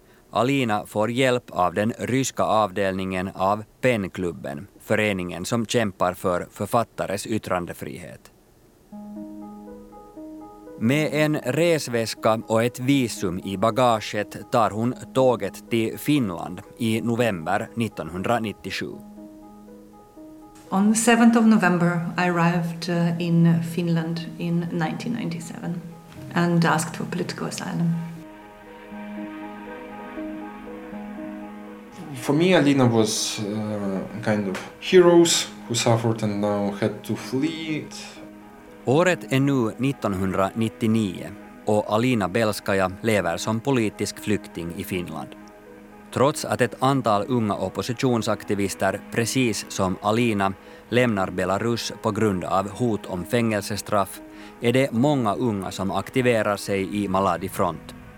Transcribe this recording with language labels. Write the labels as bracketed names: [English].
[Swedish] Alina får hjälp av den ryska avdelningen av PEN-klubben, föreningen som kämpar för författares yttrandefrihet. Med en resväska och ett visum i bagaget tar hon tåget till Finland i november 1997. [English] On the 7th of November, I arrived in Finland in 1997 and asked for political asylum. For me, Alina was kind of heroes who suffered and now had to flee. [Swedish] Året är nu 1999 och Alina Belskaja lever som politisk flykting i Finland. Trots att ett antal unga oppositionsaktivister, precis som Alina, lämnar Belarus på grund av hot om fängelsestraff, är det många unga som aktiverar sig i Maladi Front.